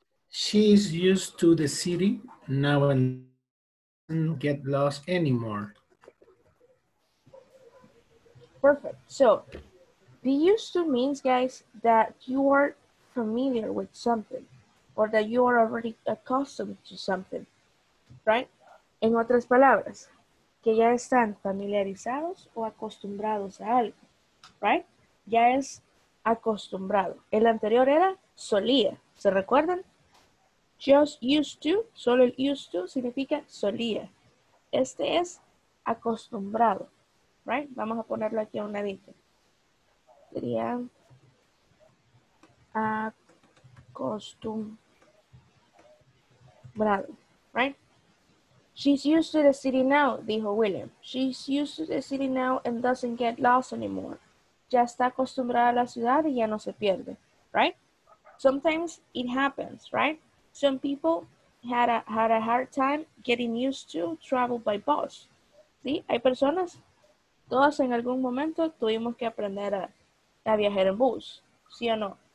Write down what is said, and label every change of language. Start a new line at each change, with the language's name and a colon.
English: She's used to the city now and get lost anymore. Perfect. So, Be used to means, guys, that you are familiar with something or that you are already accustomed to something, right?
Spanish: En otras palabras, que ya están familiarizados o acostumbrados a algo, right? Ya es acostumbrado. El anterior era solía, ¿se recuerdan? Just used to, solo el used to significa solía. Este es acostumbrado, right? Vamos a ponerlo aquí a un ladito. Sería acostumbrado, right?
English: She's used to the city now, dijo William. She's used to the city now and doesn't get lost anymore.
Spanish: Ya está acostumbrada a la ciudad y ya no se pierde, right?
English: Sometimes it happens, right? Some people had a hard time getting used to travel by bus. ¿Sí?
Spanish: Hay personas, todas en algún momento tuvimos que aprender a viajar en bus, ¿sí o no?